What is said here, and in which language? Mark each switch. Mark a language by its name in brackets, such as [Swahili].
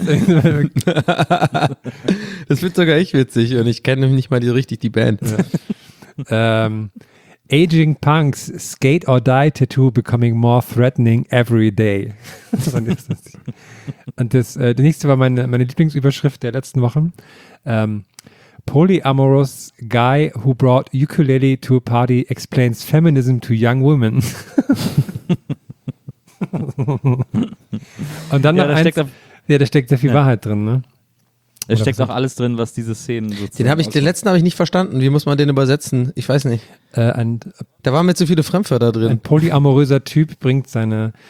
[German] Das wird sogar ich witzig und ich kenne nicht mal die Band. Ja. [English] Aging Punks skate or die tattoo becoming more threatening every day. [German] Und das nächste war meine Lieblingsüberschrift der letzten Wochen. [English] Polyamorous guy who brought ukulele to a party explains feminism to young women. [German] Und dann noch da steckt sehr viel Wahrheit drin, ne? Es steckt auch alles drin, was diese Szenen sozusagen. Den letzten habe ich nicht verstanden. Wie muss man den übersetzen? Ich weiß nicht. Da waren mir zu viele Fremdwörter drin. Ein polyamoröser Typ bringt seine.